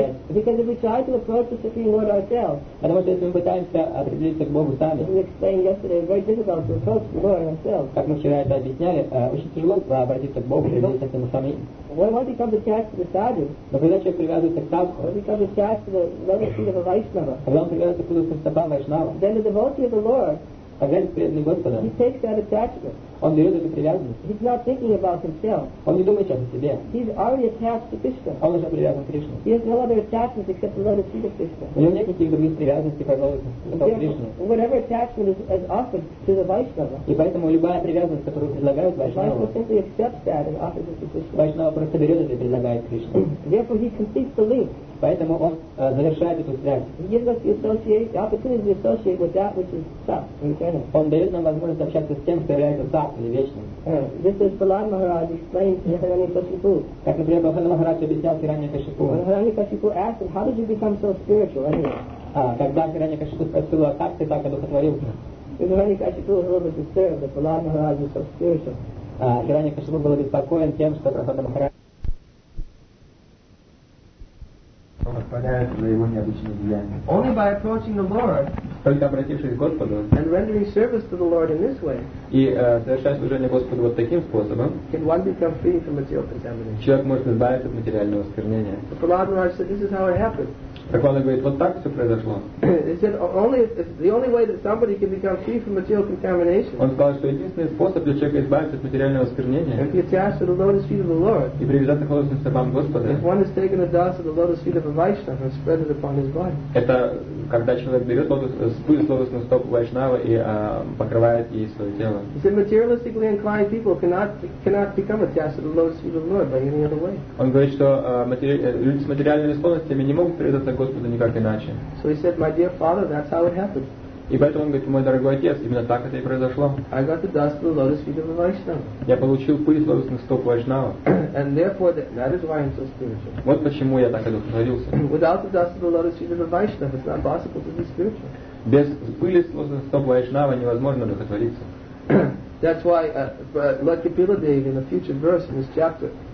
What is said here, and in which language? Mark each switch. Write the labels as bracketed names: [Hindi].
[English] Because if we try to approach the Supreme Lord ourselves, [Russian] потому что если мы пытаемся определиться к Богу сами, [English] we explained yesterday very difficult to approach the Lord ourselves. [Russian] Как мы вчера это объясняли, очень тяжело обратиться к Богу, приблизиться к нему самим. [English] When one becomes attached to the sadhu, [Russian] но когда человек привязывается к садху, [English] when he becomes attached to the level feet of a Vaishnava, [Russian] когда он привязывается к уровню стопа Вайшнава, [English] then the devotee of the Lord. [Russian] Тогда этот преданный Господа, [English] he takes that attachment. [Russian] Он берет эту привязанность. [English] He's not thinking about himself. [Russian] Он не думает сейчас о себе. [English] He's already attached to Krishna. [Russian] Он уже привязан к Кришне. [English] He has no other attachments except the lotus feet of Krishna. [Russian] У него нет никаких других привязанностей, пожалуйста, к Кришне. [English] Whatever attachment is offered to the Vaishnava. [Russian] И поэтому любая привязанность, которую предлагают Вайшнава, [English] Vaishnava simply accepts that and offers it to Krishna. [Russian] Vaishnava просто берет это и предлагает Кришне. [English] Therefore he completes the link. [Russian] Поэтому он завершает эту связь. [English] He gives us the opportunity to associate with that which is sat. [Russian] Он дает нам возможность общаться с тем, что является сат. [English] This is Balan Maharaj explained to Hirani Kashipu. [Russian] Как например, Балан Махарадж объяснял Хирани Кашипу. [English] Hirani Kashipu asked, how did you become so spiritual anyway? [Russian] Когда Хирани Кашипу спросил, а как ты так одухотворил? [English] Hirani Kashipu was a little bit disturbed that Balan Maharaj was so spiritual. [Russian] Хирани Кашипу был обеспокоен тем, что Прохода Махарадж [English] Only by approaching the Lord and rendering service to the Lord in this way can one become free from material contamination. [Russian] Человек может избавиться от материального осквернения. [English] The Prahlad Maharaj said, "This is how it happened." [Russian] Так он говорит, вот так все произошло. [English] He said, "Only the only way that somebody can become free from material contamination." [Russian] Он сказал, что единственный способ для человека избавиться от материального осквернения. [English] If he attaches to the lotus feet of the Lord. [Russian] И привязаться к лотосным стопам Господа. [English] If one has taken the dust of the lotus feet of a Vaishnava and spread it upon his body. [Russian] Это когда человек берет лотосный стоп Вайшнава и покрывает ей свое тело. [English] He said, "Materialistically inclined people cannot become attached to the lotus feet of the Lord by any other way." [Russian] Он говорит, что люди с материальными склонностями не могут привязаться Господу никак иначе. [English] So he said, "My dear father, that's how it happened." [Russian] И поэтому он говорит, мой дорогой отец, именно так это и произошло. [English] I got the dust of the lotus feet of a Vaishnava. [Russian] Я получил пыль лотосных стоп Вайшнава. [English] And therefore, that is why I'm so spiritual. [Russian] Вот почему я так одухотворился. [English] Without the dust of the lotus feet of a Vaishnava, it's not possible to be spiritual. [Russian] Без пыли лотосных стоп Вайшнава невозможно одухотвориться. [English] That's why Lord Kapila Deva in a future verse in this chapter.